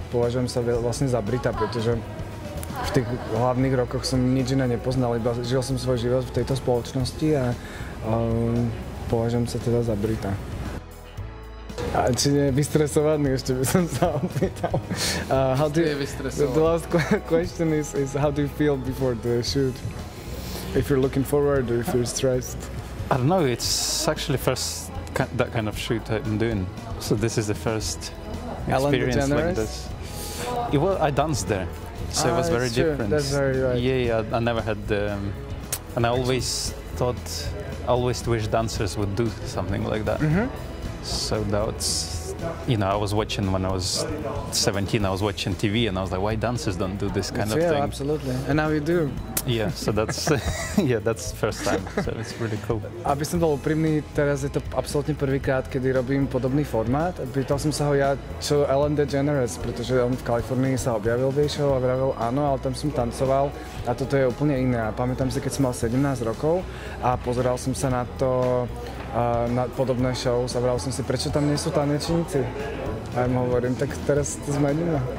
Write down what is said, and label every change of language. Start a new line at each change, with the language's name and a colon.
Slovak: Považujem sa vlastne za Brita, pretože v tých hlavných rokoch som nič iné nepoznal, iba žil som svoj život v tejto spoločnosti a považujem sa teda za Brita. A či nie je vystresovaný, ešte by som sa opýtal.
English: How do you, vystresovaný. The last question is how do you feel before the shoot? If you're looking forward or if you're stressed? I don't know, it's actually first that kind of shoot I've been doing. So this is the first experience like this. Well, I danced there, so it was very different. That's very right. Yeah, I never had and I always thought, I always wish dancers would do something like that. Mm-hmm. So that's you know, I was watching when I was 17, I was watching TV and I was like, why dancers don't do this kind of thing? Yeah, absolutely. And now you do. Yeah, so that's yeah, that's first time. So it's really cool.
Slovak: Aby som bol úprimný, teraz je to absolútne prvýkrát, kedy robím podobný formát. Pýtal som sa ho ja, čo Ellen DeGeneres, pretože on v Kalifornii sa objavil v jej show a vravil áno, ale tam som tancoval a toto je úplne iné. A pamätám si, keď som mal 17 rokov a pozeral som sa na to, na podobné show, zavral som si, prečo tam nie sú tanečníci. A ja mu hovorím, tak teraz to zmeníme.